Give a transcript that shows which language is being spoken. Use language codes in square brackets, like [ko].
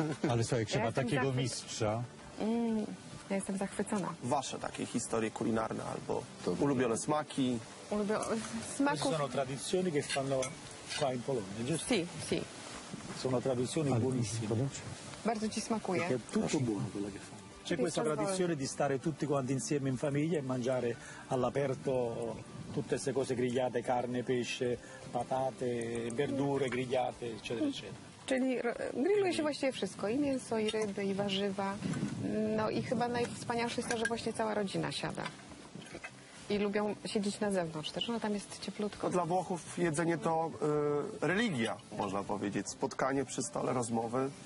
[pl] Ale słuchaj, trzeba takiego mistrza. Ja jestem zachwycona. Wasze takie historie kulinarne albo to ulubione smaki. Smaków. Są tradycyjne, które [it] stanno [pl] w Polonii, nie? [it] Si, si. Są tradycyjne, buonissime. [pl] Bardzo ci smakuje. [it] Perché è tutto buono quello che fa. C'è questa tradizione di stare tutti quanti insieme in famiglia e mangiare all'aperto tutte queste cose grigliate, carne, pesce, patate, verdure grigliate, eccetera, eccetera. [pl] Czyli grilluje się właściwie wszystko, i mięso, i ryby, i warzywa. No i chyba najwspanialsze jest to, że właśnie cała rodzina siada. i lubią siedzieć na zewnątrz też, no tam jest cieplutko. Dla Włochów jedzenie to religia, można powiedzieć, spotkanie przy stole, rozmowy.